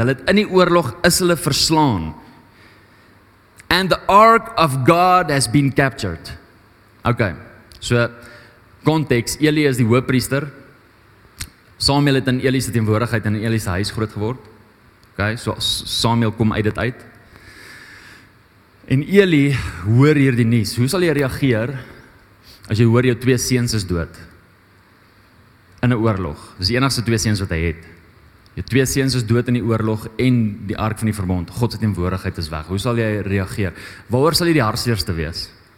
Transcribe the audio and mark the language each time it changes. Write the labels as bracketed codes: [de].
[af] Hulle het in die oorlog is hulle verslaan. [en] And the ark of God has been captured. [af] Okay. So context, Eli is die hoofpriester. Samuel het in Eli se teenwoordigheid en in Eli se huis groot geword. Okay, so Samuel kom uit dit uit. En Eli hoor hierdie nuus. Hoe sal jy reageer as jy hoor jou twee seuns is dood in 'n oorlog? Dis die enigste twee seuns wat hy het. Jou twee seuns is dood in die oorlog en die ark van die verbond, God se teenwoordigheid is weg. Hoe sal jy reageer? Waaroor sal jy die hartseerste wees?